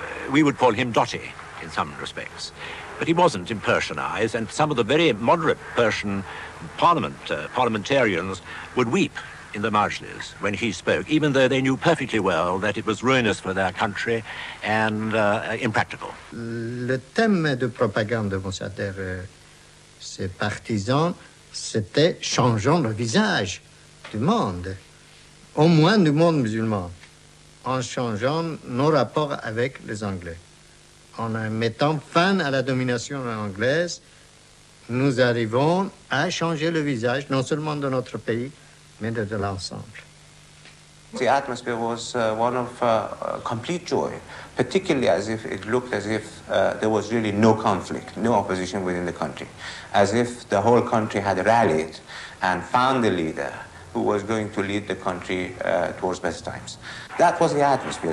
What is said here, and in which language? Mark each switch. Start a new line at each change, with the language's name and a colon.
English: We would call him Dotty in some respects. But he wasn't in Persian eyes, and some of the very moderate Persian parliamentarians would weep in the majlis when he spoke, even though they knew perfectly well that it was ruinous for their country and impractical.
French: Le thème de propagande de Mossadegh, ses partisans, c'était changeant le visage du monde, au moins du monde musulman, en changeant nos rapports avec les Anglais. En mettant fin à la domination anglaise, nous arrivons à changer le visage, non seulement de notre pays, mais de l'ensemble.
English: The atmosphere was one of complete joy, particularly as if it looked as if there was really no conflict, no opposition within the country, as if the whole country had rallied and found a leader who was going to lead the country towards better times. That was the atmosphere.